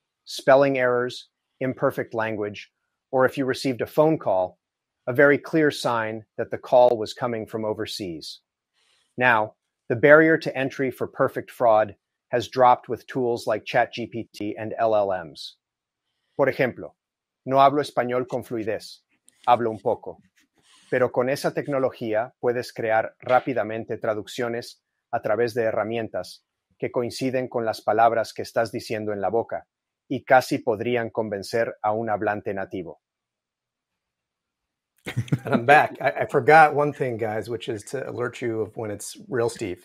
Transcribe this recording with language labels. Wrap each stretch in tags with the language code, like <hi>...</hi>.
<en>Spelling errors, imperfect language, or if you received a phone call, a very clear sign that the call was coming from overseas. Now, the barrier to entry for perfect fraud has dropped with tools like ChatGPT and LLMs.</en> <es>Por ejemplo, no hablo español con fluidez, hablo un poco. Pero con esa tecnología puedes crear rápidamente traducciones a través de herramientas que coinciden con las palabras que estás diciendo en la boca y casi podrían convencer a un hablante nativo.</es> <en>And I'm back. I forgot one thing, guys, which is to alert you of when it's real Steve.</en>